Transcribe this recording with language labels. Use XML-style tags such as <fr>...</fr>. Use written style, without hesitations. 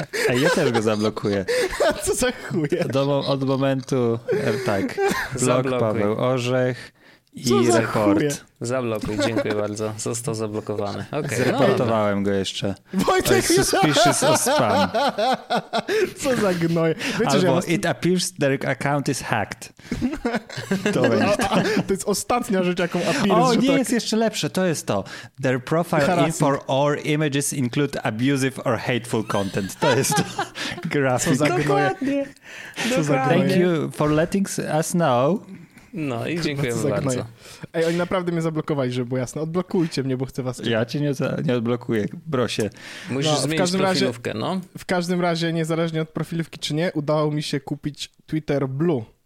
<pl>A ja też go zablokuję. Co za chuj? Od momentu, tak, blok zablokuj. Paweł Orzech. I co rekord. Zablokuj, dziękuję bardzo. Został zablokowany. Okay, zreportowałem go jeszcze. Wojtek! To jest</pl> <en>suspicious of spam.</en> <pl>Co za gnoj. Wiecie, albo</pl> <en>it appears their account is hacked.</en> <pl>To jest ostatnia rzecz, jaką appears. O, nie, tak... jest jeszcze lepsze, to jest to.</pl> <en>Their profile info or images include abusive or hateful content.</en> <pl>To jest to. Grafik. Co za gnoj.</pl> <en>Thank you for letting us know.</en> <pl>No i dziękujemy bardzo. Ej, oni naprawdę mnie zablokowali, żeby było jasne. Odblokujcie mnie, bo chcę was czekać. Ja cię nie odblokuję, brosie. Musisz zmienić profilówkę, no. W każdym razie, niezależnie od profilówki czy nie, udało mi się kupić Twitter Blue.</pl>